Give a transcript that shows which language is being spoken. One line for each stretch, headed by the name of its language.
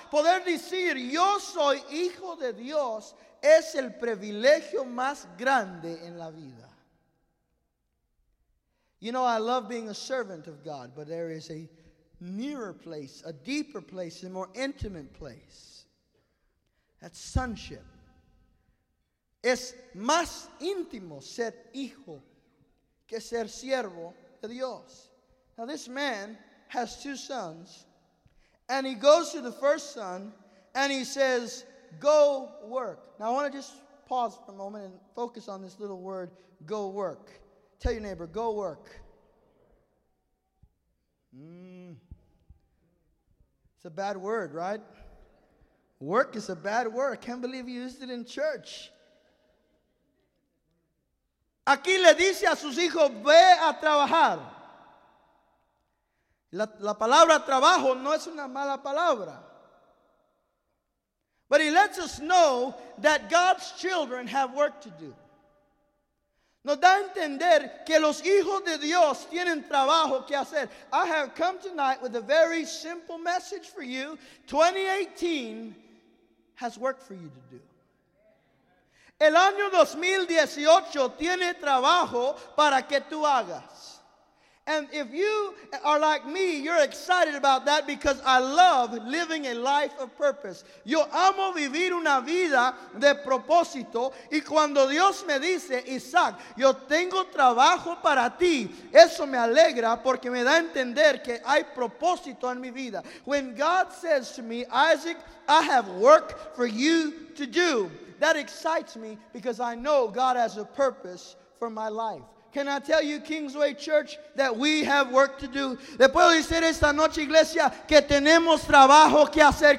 Spanish: Poder decir, yo soy hijo de Dios, es el privilegio más grande en la vida.
English: You know, I love being a servant of God, but there is a nearer place, a deeper place, a more intimate place. That's sonship.
Spanish: Es más íntimo ser hijo que ser siervo de Dios.
English: Now this man has two sons, and he goes to the first son and he says, go work. Now I want to just pause for a moment and focus on this little word, go work. Tell your neighbor, go work. It's a bad word, right? Work is a bad word. I can't believe you used it in church.
Spanish: Aquí le dice a sus hijos, ve a trabajar. La palabra trabajo no es una mala palabra.
English: But he lets us know that God's children have work to do.
Spanish: Nos da a entender que los hijos de Dios tienen trabajo que hacer.
English: I have come tonight with a very simple message for you. 2018 has work for you to do.
Spanish: El año 2018 tiene trabajo para que tú hagas.
English: And if you are like me, you're excited about that because I love living a life of purpose.
Spanish: Yo amo vivir una vida de propósito. Y cuando Dios me dice, Isaac, yo tengo trabajo para ti, eso me alegra porque me da a entender que hay propósito en mi vida.
English: When God says to me, Isaac, I have work for you to do, that excites me because I know God has a purpose for my life. Can I tell you, Kingsway Church, that we have work to do?
Spanish: ¿Le puedo decir esta noche, iglesia, que tenemos trabajo que hacer?